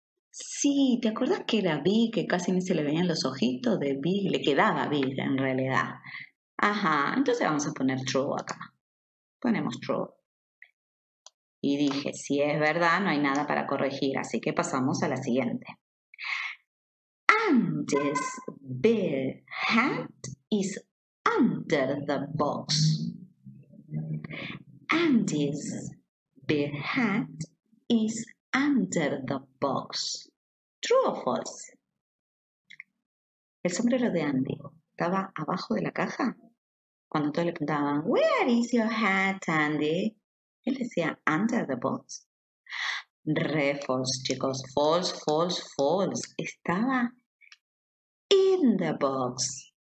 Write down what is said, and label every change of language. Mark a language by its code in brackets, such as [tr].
[es] Sí, ¿te acordás que era big? Que casi ni se le veían los ojitos de big. Le quedaba big en realidad. Ajá, entonces vamos a poner true acá. Ponemos true. Y dije, si es verdad, no hay nada para corregir. Así que pasamos a la siguiente. [en] Andy's bear hat is under the box. Andy's bear hat is under the box. True or false? [es] El sombrero de Andy estaba abajo de la caja. Cuando todos le preguntaban, [en] where is your hat, [es] Andy? Él decía, [en] under the box. [es] Re false, chicos. [en] False, false, false. [es] Estaba [en] in the box.